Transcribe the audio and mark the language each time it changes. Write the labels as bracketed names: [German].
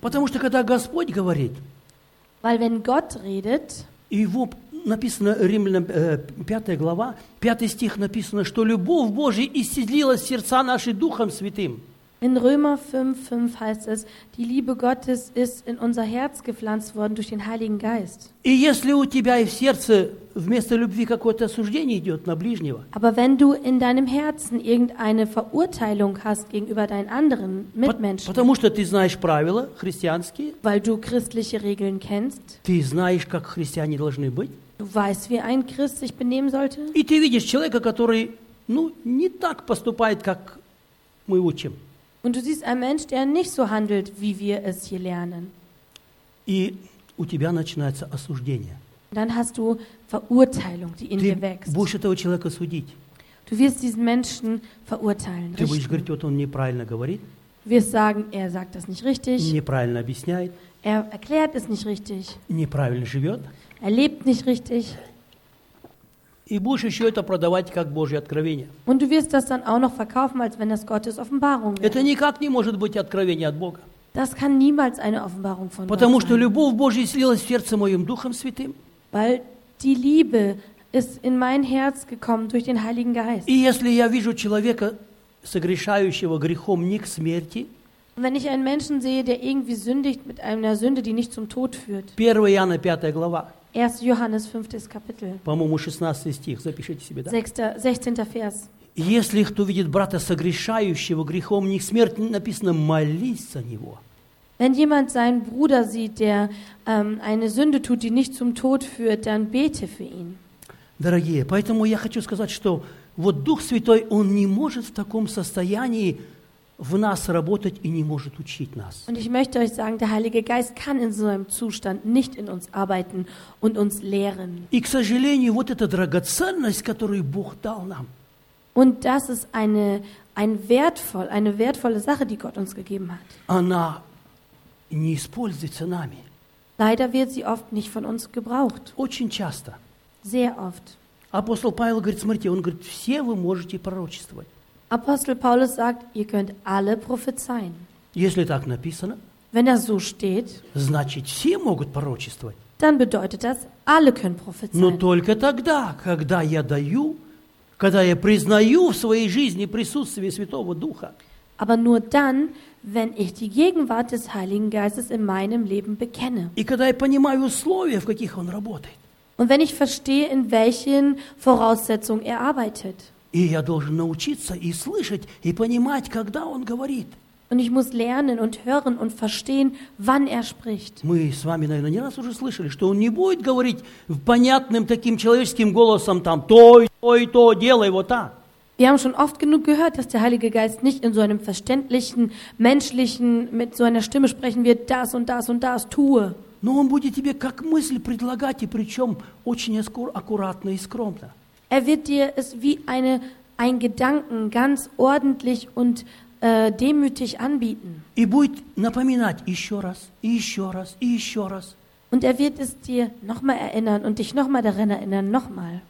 [Russian] Потому что когда Господь говорит, [German] weil wenn Gott redet, [Russian] его написано Римлянам 5 глава, 5 стих написано, что любовь Божия исцелилась сердца наши Духом Святым. [German] In Römer 5,5 heißt es, die Liebe Gottes ist in unser Herz gepflanzt worden durch den Heiligen Geist. [Russian] И если у тебя в сердце вместо любви какое-то осуждение идет на ближнего, [German] aber wenn du in deinem Herzen irgendeine Verurteilung hast gegenüber deinen anderen Mitmenschen, [Russian] потому что ты знаешь правила христианские, [German] weil du christliche Regeln kennst, [Russian] ты знаешь, как христиане должны быть, [German] du weißt, wie ein Christ sich benehmen sollte, [Russian] и ты видишь человека, который, ну, не так поступает, как мы учим. [German] Und du siehst einen Mensch, der nicht so handelt, wie wir es hier lernen. [Russian] И у тебя начинается осуждение. [German] Dann hast du Verurteilung, die in [Russian] ты [German] dir wächst. [Russian] Ты будешь этого человека судить. [German] Du wirst diesen Menschen verurteilen. [Russian] Ты [German] richten. [Russian] Будешь говорить, вот он неправильно говорит. [German] Du wirst sagen, er sagt das nicht richtig. [Russian] Неправильно объясняет. [German] Er erklärt es nicht richtig. [Russian] Неправильно живет. [German] Er lebt nicht richtig. [Russian] И будешь еще это продавать как Божье откровение. [German] Und du wirst das dann auch noch verkaufen, als wenn das Gottes Offenbarung wäre. [Russian] Это никак не может быть откровение от Бога. [German] Das kann niemals eine Offenbarung von Gott sein. [Russian] Потому что любовь Божия слилась в сердце моем Духом Святым. [German] Weil die Liebe ist in mein Herz gekommen durch den Heiligen Geist. [Russian] И если я вижу человека, согрешающего грехом не к смерти, [German] wenn ich einen Menschen sehe, der irgendwie sündigt mit einer Sünde, die nicht zum Tod führt. [Russian] 1. Johannes 5. глава. [German] 1. Johannes 5. Kapitel. [Russian] По-моему, 16 стих. Запишите себе, да? [German] 16 Vers. [Russian] Если кто видит брата согрешающего грехом, не к смерти, написано, молись за него. [German] Wenn jemand seinen Bruder sieht, der eine Sünde tut, die nicht zum Tod führt, dann bete für ihn. [Russian] Дорогие, поэтому я хочу сказать, что вот Дух Святой, он не может в таком состоянии в нас работать и не может учить нас. [German] Und ich möchte euch sagen, der Heilige Geist kann in so einem Zustand nicht in uns arbeiten und uns lehren. [Russian] И, к сожалению, вот эта драгоценность, которую Бог дал нам. [German] Und das ist eine wertvolle Sache, die Gott uns gegeben hat. [Russian] Она не используется нами. [German] Leider wird sie oft nicht von uns gebraucht. [Russian] Очень часто. [German] Sehr oft. [Russian] Апостол Павел говорит, смотрите, он говорит, все вы можете пророчествовать. [German] Apostel Paulus sagt, ihr könnt alle prophezeien. [Russian] Если так написано, [German] wenn das so steht, [Russian] значит, все могут пророчествовать. [German] Dann bedeutet das, alle können prophezeien. [Russian] Но только тогда, когда я даю когда я признаю в своей жизни присутствие Святого Духа. [German] Aber nur dann, wenn ich die Gegenwart des Heiligen Geistes in meinem Leben bekenne. [Russian] И когда я понимаю условия, в каких он работает. [German] Und wenn ich verstehe, in welchen Voraussetzungen er arbeitet. [Russian] И я должен научиться и слышать и понимать, когда он говорит. [German] Und ich muss lernen und hören und verstehen, wann er spricht. [Russian] Мы с вами, наверное, не раз уже слышали, что он не будет говорить понятным таким человеческим голосом там то, делай вот так. [German] Wir haben schon oft genug gehört, dass der Heilige Geist nicht in so einem verständlichen, menschlichen, mit so einer Stimme sprechen wird, das und das und das tue. [Russian] Но он будет тебе как мысль предлагать, и причем очень аккуратно и скромно. [German] Er wird dir es wie ein Gedanken ganz ordentlich und demütig anbieten. [Russian] И будет напоминать еще раз, и еще раз, и еще раз. [German] Und er wird es dir nochmal erinnern und dich nochmal daran erinnern, nochmal.